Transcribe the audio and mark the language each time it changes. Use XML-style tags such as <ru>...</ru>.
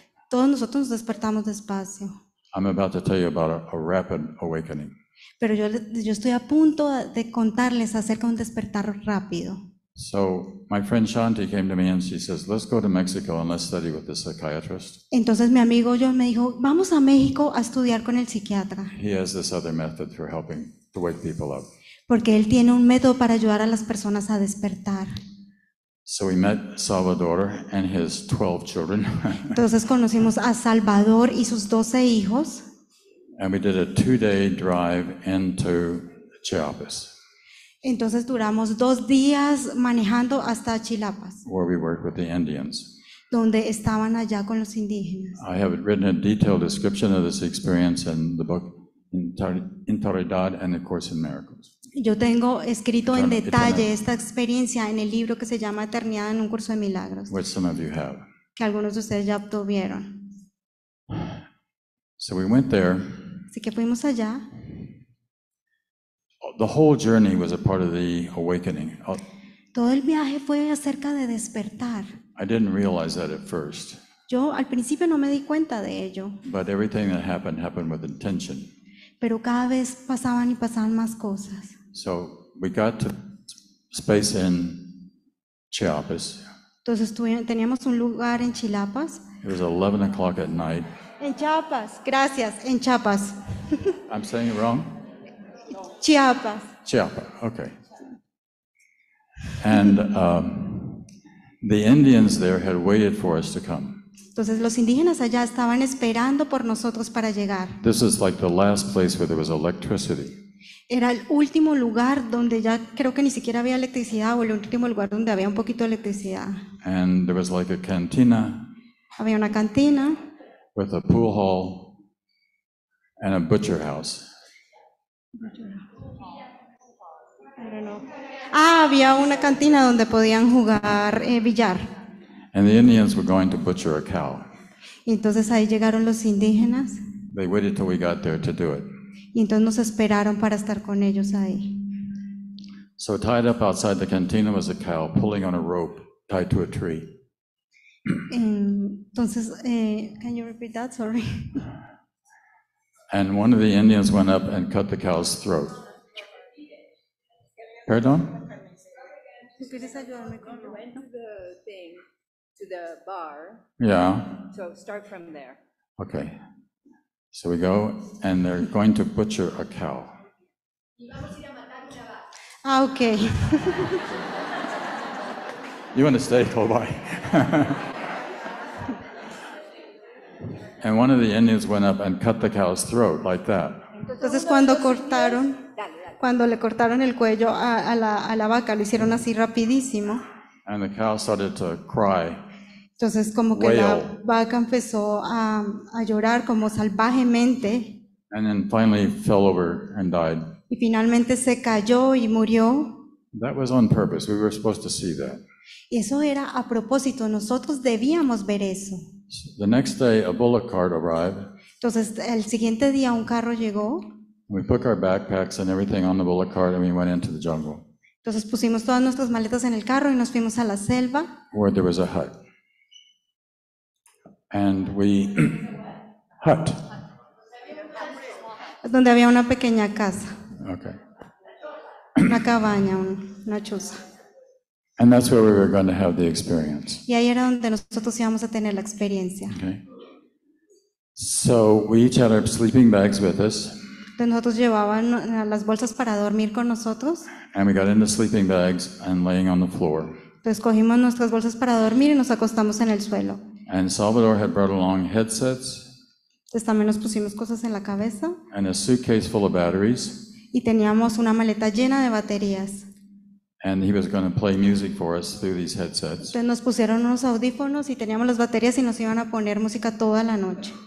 <es>Todos nosotros nos despertamos despacio.</es> <en>I'm about to tell you about a rapid awakening.</en> <es>Pero yo estoy a punto de contarles acerca de un despertar rápido.</es> <en>So my friend Shanti came to me and she says, "Let's go to Mexico and let's study with the psychiatrist."</en> <es>Entonces mi amigo John me dijo, "Vamos a México a estudiar con el psiquiatra."</es> <en>He has this other method for helping to wake people up.</en> <es>Porque él tiene un método para ayudar a las personas a despertar.</es> <en>So we met Salvador and his 12 children.</en> <es>Entonces conocimos a Salvador y sus 12 hijos.</es> <en>And we did a 2-day drive into Chiapas.</en> <es>Entonces duramos 2 días manejando hasta Chiapas.</es> <en>Where we worked with the Indians.</en> <es>Donde estaban allá con los indígenas.</es> <en>I have written a detailed description of this experience in the book Interioridad and the Course in Miracles.</en> <es>Yo tengo escrito en detalle esta experiencia en el libro que se llama Eternidad en un curso de milagros.</es> <en>Which some of you have.</en> <es>Que algunos de ustedes ya obtuvieron.</es> <en>So we went there.</en> <es>Así que fuimos allá.</es> <en>The whole journey was a part of the awakening.</en> <es>Todo el viaje fue acerca de despertar.</es> <en>I didn't realize that at first.</en> <es>Yo al principio no me di cuenta de ello.</es> <en>But everything that happened happened with intention.</en> <es>Pero cada vez pasaban y pasaban más cosas.</es> <en>So we got to space in Chiapas.</en> <es>Entonces teníamos un lugar en Chiapas.</es> <en>It was 11 o'clock at night.</en> <es>En Chiapas, gracias, en Chiapas.</es> <en>I'm saying it wrong?</en> <es>Chiapas.</es> <en>Chiapas, okay. And the Indians there had waited for us to come.</en> <es>Entonces los indígenas allá estaban esperando por nosotros para llegar.</es> <en>This is like the last place where there was electricity.</en> <es>Era el último lugar donde ya creo que ni siquiera había electricidad o el último lugar donde había un poquito de electricidad.</es> <en>And there was like a cantina.</en> <es>Había una cantina.</es> <en>With a pool hall and a butcher house.</en> <es>Había una cantina donde podían jugar billar.</es> <en>And the Indians were going to butcher a cow.</en> <es>Entonces ahí llegaron los indígenas.</es> <en>They waited till we got there to do it.</en> <es>Y entonces nos esperaron para estar con ellos ahí.</es> <en>So tied up outside the cantina was a cow pulling on a rope tied to a tree. Entonces, can you repeat that? Sorry. And one of the Indians went up and cut the cow's throat. Perdón?</en> <es>¿Tú quieres ayudarme con lo bueno?</es> <en>To the bar. Yeah. So start from there. Okay. So we go, and they're going to butcher a cow. Okay. You want to stay, Colby? And one of the Indians went up and cut the cow's throat like that.</en> <es>Entonces cuando cortaron, cuando le cortaron el cuello a la vaca, lo hicieron así rapidísimo.</es> <en>And the cow started to cry.</en> <es>Entonces como que la vaca empezó a llorar como salvajemente.</es> <en>And then finally fell over and died.</en> <es>Y finalmente se cayó y murió.</es> <en>That was on purpose. We were supposed to see that.</en> <es>Y eso era a propósito. Nosotros debíamos ver eso.</es> <en>The next day, a bullock cart arrived.</en> <es>Entonces, el siguiente día, un carro llegó.</es> <en>We put our backpacks and everything on the bullock cart, and we went into the jungle.</en> <es>Entonces, pusimos todas nuestras maletas en el carro y nos fuimos a la selva.</es> <en>Where there was a hut. And we hut.</en> <es>Donde había una pequeña casa.</es> <en>Okay.</en> <es>Una cabaña, una choza.</es> <en>And that's where we were going to have the experience.</en> <es>Y ahí era donde nosotros íbamos a tener la experiencia.</es> <en>Okay. So we each had our sleeping bags with us.</en> <es>Entonces nosotros llevábamos las bolsas para dormir con nosotros.</es> <en>And we got into sleeping bags and laying on the floor.</en> <es>Entonces cogimos nuestras bolsas para dormir y nos acostamos en el suelo.</es> <en>And Salvador had brought along headsets.</en> <es>Entonces también nos pusimos cosas en la cabeza.</es> <en>And a suitcase full of batteries.</en> <es>Y teníamos una maleta llena de baterías.</es> <en>And he was going to play music for us through these headsets.</en> <es>Entonces nos pusieron unos audífonos y teníamos las baterías y nos iban a poner música toda la noche.</es>